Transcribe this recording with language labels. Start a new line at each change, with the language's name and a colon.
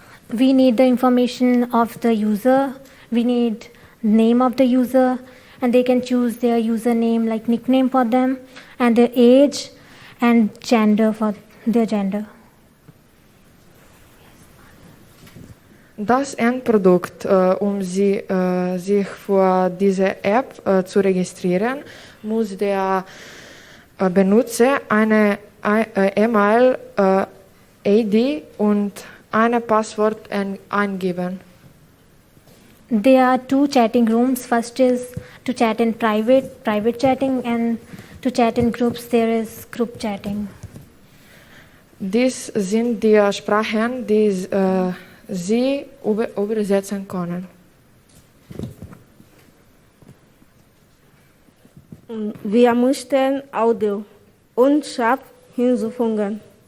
English: We need the information of the user, we need name of the user, and they can choose their username, like nickname for them, and their age, and gender for their gender.
German: Das Endprodukt, um sie, sich für diese App zu registrieren, muss der Benutzer eine E-Mail-ID und ein Passwort eingeben.
English: There are two chatting rooms. First is to chat in private chatting, and to chat in groups, there is group chatting.
German: Dies sind die Sprachen, die Sie übersetzen können. Wir müssten Audio und Chat hinzufügen.